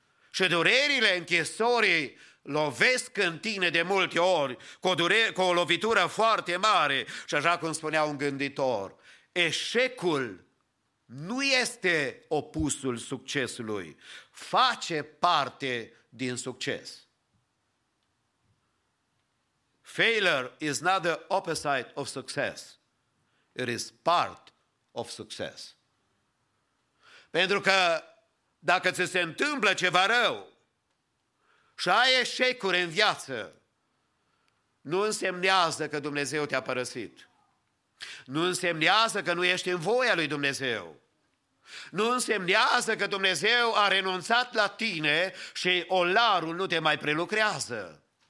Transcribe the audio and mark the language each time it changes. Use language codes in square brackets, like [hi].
[ro] Și durerile închisorii lovesc în tine de multe ori cu o lovitură foarte mare. Și așa cum spunea un gânditor, eșecul nu este opusul succesului, face parte din succes. [en] Failure is not the opposite of success, it is part of success. [ro] Pentru că dacă ți se întâmplă ceva rău și ai eșecuri în viață, nu însemnează că Dumnezeu te-a părăsit. Nu însemnează că nu ești în voia lui Dumnezeu. Nu însemnează că Dumnezeu a renunțat la tine și olarul nu te mai prelucrează.